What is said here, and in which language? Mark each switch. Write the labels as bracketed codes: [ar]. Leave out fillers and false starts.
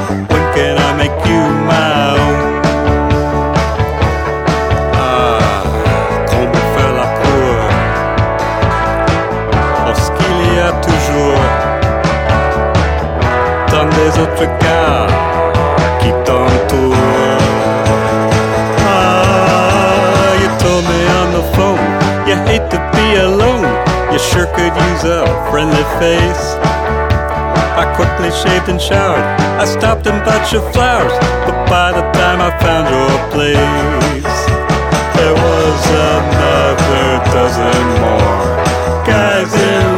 [en] When can I make you my own? [fr] Ah, quand me faire la cour, lorsqu'il y a toujours tant des autres gars qui t'entourent. [en] Ah, you told me on the phone you hate to be alone, you sure could use a friendly face. I quickly shaved and showered, I stopped and bought you flowers, but by the time I found your place, there was another dozen more guys in.